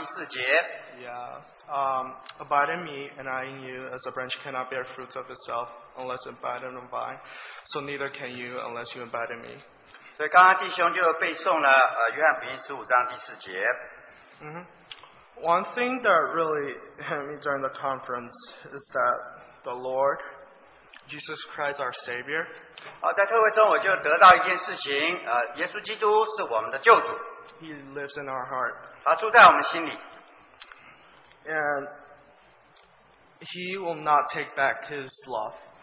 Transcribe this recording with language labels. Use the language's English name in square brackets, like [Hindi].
[English] John 15:4. Abide in me and I in you, as a branch cannot bear fruit of itself unless it abide in the vine, so neither can you unless you abide in me. [Chinese] 所以刚刚弟兄就背诵了约翰福音十五章第四节。 Mm-hmm. [English] One thing that really hit me during the conference is that the Lord Jesus Christ, our Savior. [Chinese] 在特会中我就得到一件事情，耶稣基督是我们的救主。 [English] He lives in our heart. [Chinese] 他住在我们心里。 [English] And He will not take back His love.